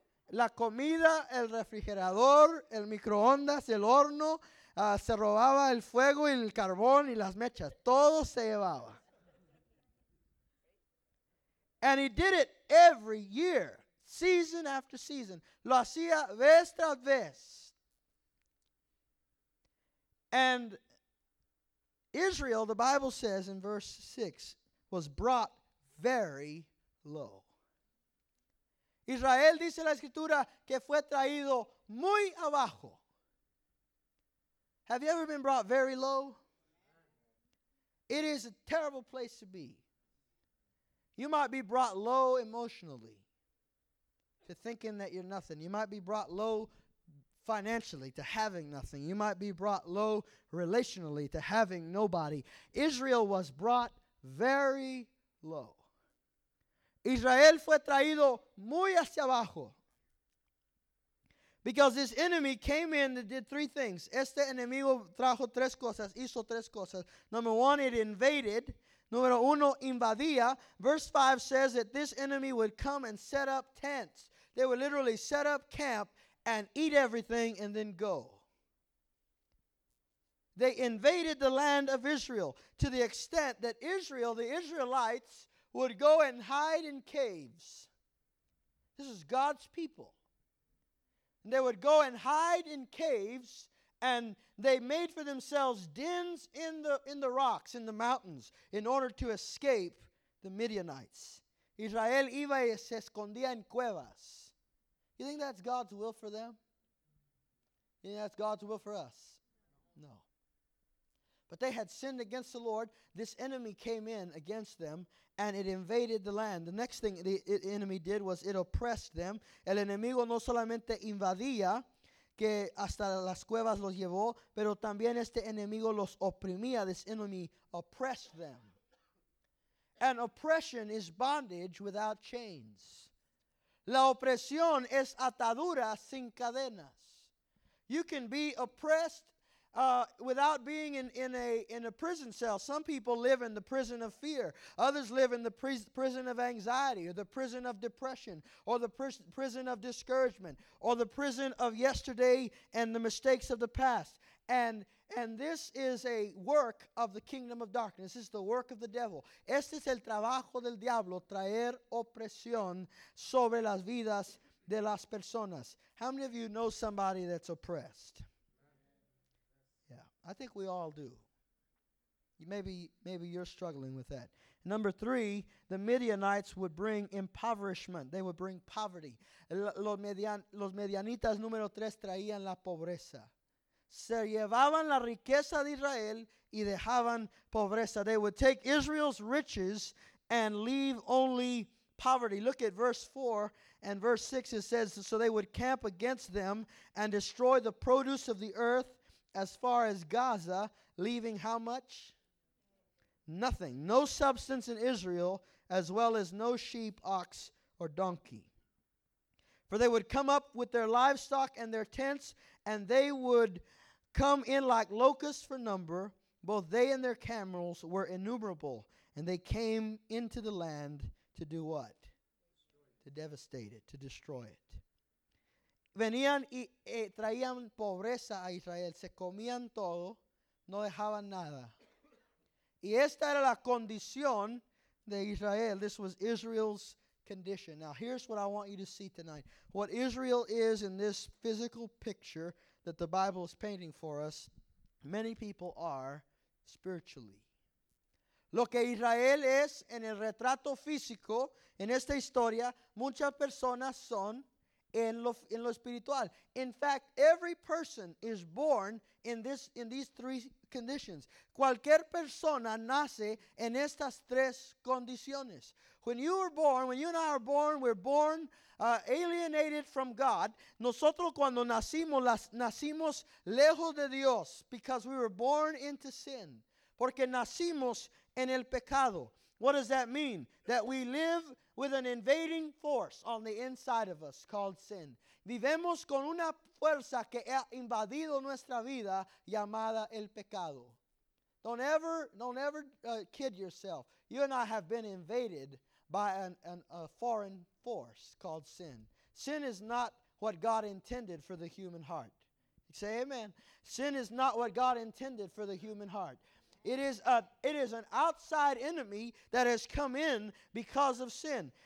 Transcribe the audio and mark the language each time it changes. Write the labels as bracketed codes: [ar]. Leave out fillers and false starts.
[es] La comida, el refrigerador, el microondas, el horno, se robaba el fuego y el carbón y las mechas. Todo se llevaba. [en] And he did it every year, season after season. [es] Lo hacía vez tras vez. [en] And Israel, the Bible says in verse 6, was brought very low. [es] Israel, dice la Escritura, que fue traído muy abajo. [en] Have you ever been brought very low? It is a terrible place to be. You might be brought low emotionally to thinking that you're nothing. You might be brought low financially to having nothing. You might be brought low relationally to having nobody. Israel was brought very low. [es] Israel fue traído muy hacia abajo. [en] Because this enemy came in and did three things. [es] Este enemigo trajo tres cosas, hizo tres cosas. [en] Number one, it invaded. [es] Número uno, invadía. [en] Verse 5 says that this enemy would come and set up tents. They would literally set up camp and eat everything and then go. They invaded the land of Israel to the extent that Israel, the Israelites, would go and hide in caves. This is God's people. And they would go and hide in caves. And they made for themselves dens in the rocks, in the mountains, in order to escape the Midianites. [es] Israel iba y se escondía en cuevas. [en] You think that's God's will for them? You think that's God's will for us? No. But they had sinned against the Lord. This enemy came in against them, and it invaded the land. The next thing the enemy did was it oppressed them. [es] El enemigo no solamente invadía, que hasta las cuevas los llevó, pero también este enemigo los oprimía. [en] This enemy oppressed them. And oppression is bondage without chains. [es] La opresión es atadura sin cadenas. [en] You can be oppressed without being in a prison cell. Some people live in the prison of fear. Others live in the prison of anxiety, or the prison of depression, or the prison of discouragement, or the prison of yesterday and the mistakes of the past. And this is a work of the kingdom of darkness. This is the work of the devil. [es] Este es el trabajo del diablo, traer opresión sobre las vidas de las personas. [en] How many of you know somebody that's oppressed? I think we all do. Maybe you're struggling with that. Number three, the Midianites would bring impoverishment. They would bring poverty. [es] Los Medianitas, número tres, traían la pobreza. Se llevaban la riqueza de Israel y dejaban pobreza. [en] They would take Israel's riches and leave only poverty. Look at verse 4 and verse 6. It says, so they would camp against them and destroy the produce of the earth as far as Gaza, leaving how much? Nothing. No substance in Israel, as well as no sheep, ox, or donkey. For they would come up with their livestock and their tents, and they would come in like locusts for number. Both they and their camels were innumerable, and they came into the land to do what? To devastate it, to destroy it. [es] Venían y traían pobreza a Israel. Se comían todo, no dejaban nada. Y esta era la condición de Israel. [en] This was Israel's condition. Now, here's what I want you to see tonight. What Israel is in this physical picture that the Bible is painting for us, many people are spiritually. [es] Lo que Israel es en el retrato físico, en esta historia, muchas personas son en lo espiritual. [en] In fact, every person is born in these three conditions. [es] Cualquier persona nace en estas tres condiciones. [en] When you are born, when you and I are born, we're born alienated from God. [es] Nosotros cuando nacimos lejos de Dios, [en] because we were born into sin. [es] Porque nacimos en el pecado. [en] What does that mean? That we live with an invading force on the inside of us called sin. [es] Vivemos con una fuerza que ha invadido nuestra vida llamada el pecado. [en] Don't ever kid yourself. You and I have been invaded by a foreign force called sin. Sin is not what God intended for the human heart. Say amen. Sin is not what God intended for the human heart. It is an outside enemy that has come in because of sin.